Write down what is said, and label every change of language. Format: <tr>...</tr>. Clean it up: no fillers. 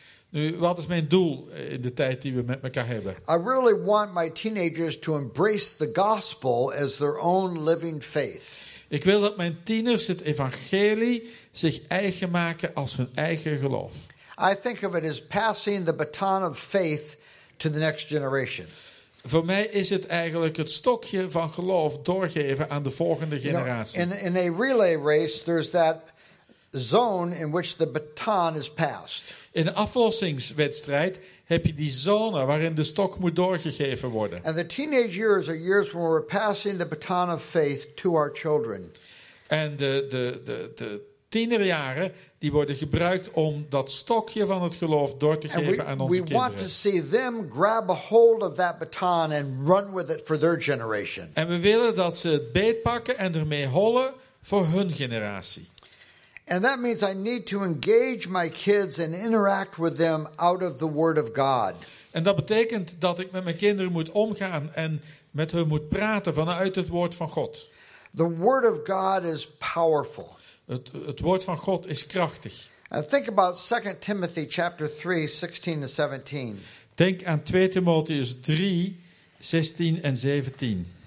<nl>Nu, wat is mijn doel in de tijd die we met elkaar hebben?</nl> <en>I really want my teenagers to embrace the gospel as their own living faith.</en> <nl>Ik wil dat mijn tieners het evangelie zich eigen maken als hun eigen geloof.</nl> <en>I think of it as passing the baton of faith to the next generation.</en> <nl>Voor mij is het eigenlijk het stokje van geloof doorgeven aan de volgende generatie.</nl> <en>You know, in a relay race there's that zone in which the baton is passed.</en> <nl>In een aflossingswedstrijd heb je die zone waarin de stok moet doorgegeven worden.</nl> <en>And the teenage years are years when we're passing the baton of faith to our children.</en> <nl>En de tienerjaren die worden gebruikt om dat stokje van het geloof door te geven aan onze kinderen.</nl> <en>We want to see them grab a hold of that baton and run with it for their generation.</en> <nl>En we willen dat ze het beet pakken en ermee hollen voor hun generatie.</nl> <en>And that means I need to engage my kids and interact with them out of the Word of God.</en> <nl>En dat betekent dat ik met mijn kinderen moet omgaan en met hun moet praten vanuit het woord van God.</nl> <en>The Word of God is powerful.</en> <nl>Het woord van God is krachtig.</nl> <en>And think about 2 Timothy chapter 3, 16 and 17.</en> <nl>Denk aan 2 Timotheus 3, 16 en 17.</nl>